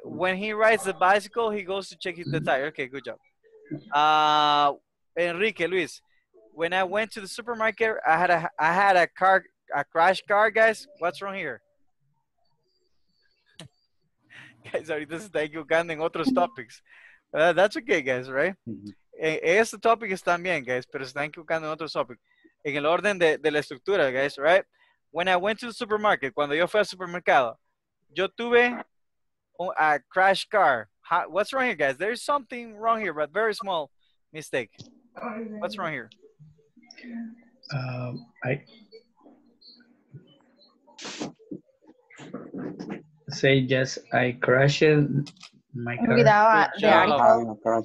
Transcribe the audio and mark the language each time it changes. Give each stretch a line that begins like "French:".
English: When he rides the bicycle, he goes to check the tire. Okay, good job. Enrique, Luis, when I went to the supermarket, I had a crash car, guys. What's wrong here?
Spanish: Guys, ahorita se está equivocando en otros topics.
English: That's okay, guys, right?
Spanish: Mm-hmm. Este topic está bien, guys, pero se está equivocando en otros topics. En el orden de la estructura,
English: guys, right? When I went to the supermarket,
Spanish: cuando yo fui al supermercado, yo tuve
English: a crash car. What's wrong here, guys? There is something wrong here, but very small. Mistake. What's wrong here? I say yes, I crashed my car.